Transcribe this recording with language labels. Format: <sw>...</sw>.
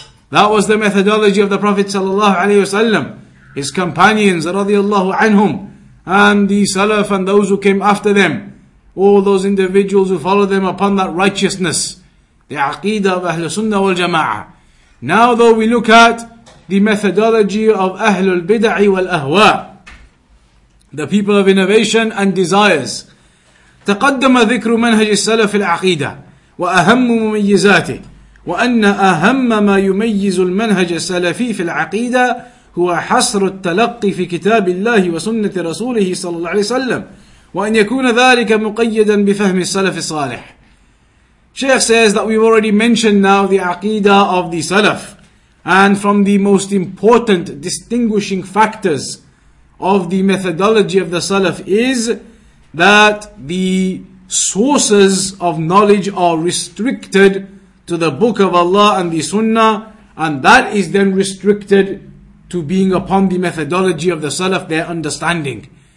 <en>That was the methodology of the Prophet sallallahu alayhi wa sallam, his companions radiyallahu anhum, and the salaf and those who came after them, all those individuals who followed them upon that righteousness, the aqidah of ahl sunnah wal-jama'ah. Now though we look at the methodology of Ahlul Bid'ah wal Ahwa, the people of innovation and desires.</en> <ar>تقدم ذكر منهج السلف العقيدة وأهم مميزاته وأن أهم ما يميز المنهج السلفي في العقيدة هو حصر التلقي في كتاب الله وسنة رسوله صلى الله عليه وسلم وأن يكون ذلك مقيدا بفهم السلف الصالح.</ar> <en>Sheikh says that we've already mentioned now the Aqeedah of the Salaf. And from the most important distinguishing factors of the methodology of the Salaf is that the sources of knowledge are restricted to the Book of Allah and the Sunnah, and that is then restricted to being upon the methodology of the Salaf, their understanding.</en>